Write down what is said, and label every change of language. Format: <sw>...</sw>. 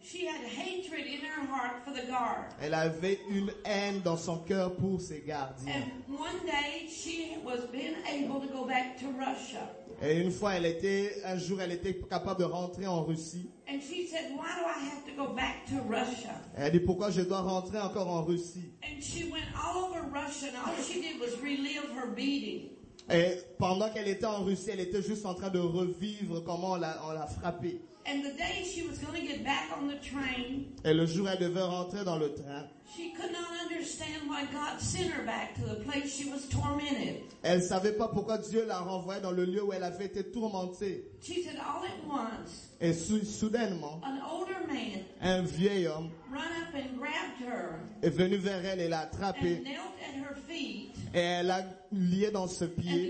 <en>she had hatred in her heart for the guard.</en> <fr>Elle avait une haine dans son cœur pour ses gardiens.</fr> <en>And one day she was being able to go back to Russia.</en> <fr>Et une fois, un jour, elle était capable de rentrer en Russie.</fr> <en>And she said, "Why do I have to go back to Russia?"</en> <fr>Elle dit, pourquoi je dois rentrer encore en Russie?</fr> <en>And she went all over Russia, and all she did was relive her beating.</en> <fr>Et pendant qu'elle était en Russie, elle était juste en train de revivre comment on l'a frappée.</fr> <en>And the day she was going to get back on the train,</en> <fr>et le jour elle devait rentrer dans le train,</fr> <en>she could not understand why God sent her back to the place she was tormented.</en> <fr>Elle savait pas pourquoi Dieu la renvoyait dans le lieu où elle avait été tourmentée.</fr> <en>She said all at once,</en> <fr>et soudainement,</fr> <en>an older man,</en> <fr>un vieil homme,</fr> <en>ran up and grabbed her,</en> <fr>est venu vers elle et l'a attrapée,</fr> <en>and knelt at her feet,</en> <fr>et elle a lié dans ses pieds,</fr>